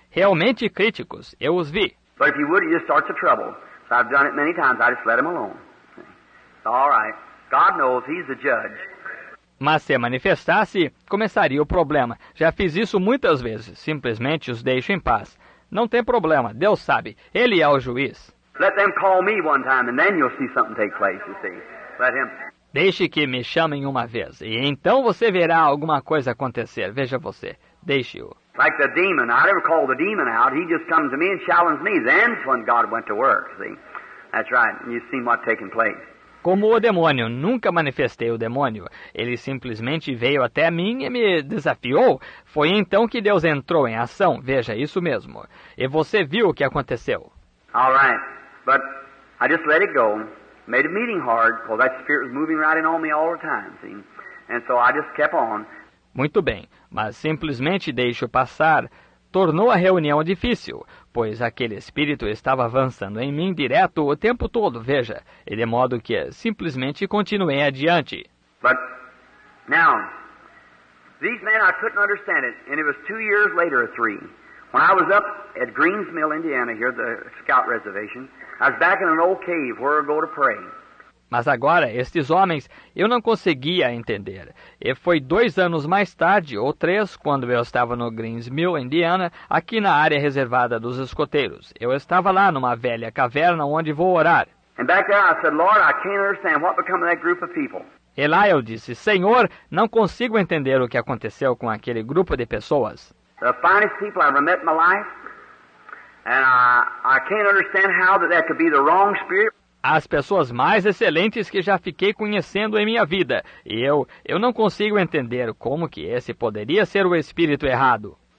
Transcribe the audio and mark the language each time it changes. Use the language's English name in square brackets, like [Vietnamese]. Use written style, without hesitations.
[Portuguese] Realmente críticos. Eu os vi. Mas se você quiser, ele começa a [English] trouble. [Portuguese] Eu fiz isso muitas vezes, eu deixei ele [English] alone. All right. God knows he's the judge. [Portuguese] Mas se manifestasse, começaria o problema. Já fiz isso muitas vezes. Simplesmente os deixo em paz. Não tem problema. Deus sabe. Ele é o juiz. [English] Let them call me one time and then you'll see something take place, you see. Let him. [Portuguese] Deixe que me chamem uma vez e então você verá alguma coisa acontecer. Veja você. Deixe-o. [English] Like the demon. I never called the demon out. He just comes to me and challenges me. Then's when God went to work, see. That's right. And you've seen what's taking place. [Portuguese] Como o demônio, nunca manifestei o demônio. Ele simplesmente veio até mim e me desafiou. Foi então que Deus entrou em ação. Veja, isso mesmo. E você viu o que aconteceu. [English] All right. But I just let it go. Made a meeting hard. Well, that spirit was moving right in on me all the time, see? And so I just kept on. [Portuguese] Muito bem. Mas simplesmente deixo passar. Tornou a reunião difícil, pois aquele espírito estava avançando em mim direto o tempo todo, veja, e de modo que simplesmente continuei adiante. [English] But now, these men, I couldn't understand it, and it was 2 years later or three, when I was up at Greens Mill, Indiana, here, the scout reservation, I was back in an old cave where I go to pray. [Portuguese] Mas agora, estes homens, eu não conseguia entender. E foi 2 anos mais tarde, ou 3, quando eu estava no Greens Mill, Indiana, aqui na área reservada dos escoteiros. Eu estava lá numa velha caverna onde vou orar. [English] And back there I said, Lord, I can't understand what become of that group of people. [Portuguese] Eliel disse, Senhor, não consigo entender o que aconteceu com aquele grupo de pessoas. [English] The finest people I've met in my life. And I can't understand how that could be the wrong spirit. [Portuguese] As pessoas mais excelentes que já fiquei conhecendo em minha vida. E eu não consigo entender como que esse poderia ser o espírito errado.